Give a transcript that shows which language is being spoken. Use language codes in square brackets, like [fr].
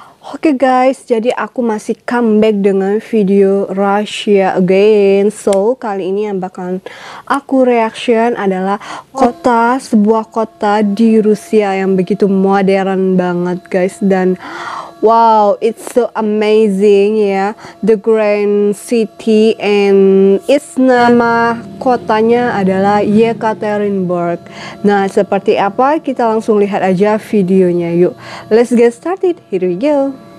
[id] Oke guys, jadi aku masih comeback dengan video Russia again. So kali ini yang bakalan aku reaction adalah sebuah kota di Rusia yang begitu modern banget guys. [en] Dan wow, it's so amazing ya, yeah. The Grand City, and its nama kotanya adalah Yekaterinburg. [id] Nah, seperti apa, kita langsung lihat aja videonya yuk. [en] Let's get started, here we go.